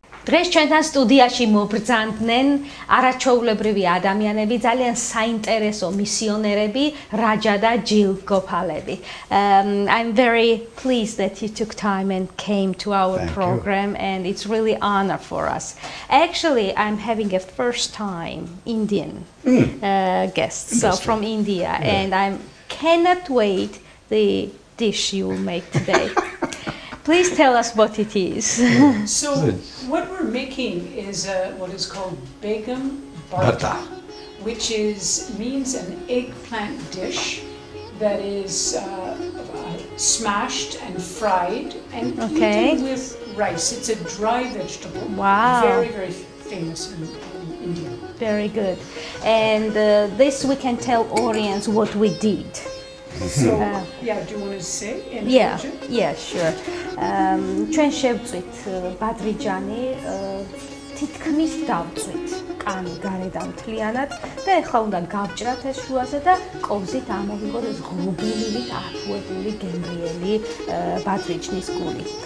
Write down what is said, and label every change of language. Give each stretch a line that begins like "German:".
Georgian: Დღეს ჩვენთან სტუდიაში მობრძანდნენ არაჩვეულებრივი ადამიანები, ძალიან საინტერესო მისიონერები, რაჯა და ჯილგოპალები.
English: I'm very pleased that you took time and came to our program and it's really an honor for us. Actually, I'm having a first time Indian guest, so from India, and I cannot wait the dish you will make today. Please tell us what it is. So what we're making is what is called begum bhata, which is means an eggplant dish that is smashed and fried and eaten with rice. It's a dry vegetable. Wow. Very, very famous in India. Very good. And this we can tell audience what we did. So, yeah, do you want to say? Yeah, sure.
Georgian: ჩვენ შევწვით ბადრიჯანი, თითქმის დავწვით კანი გარედან მთლიანად და ახლა უნდა გავჭრათ ეს შუაზე და კოვზით ამოვიღოთ ეს ღრუბლივი, ათუებული, გემრიელი ბადრიჯნის გული.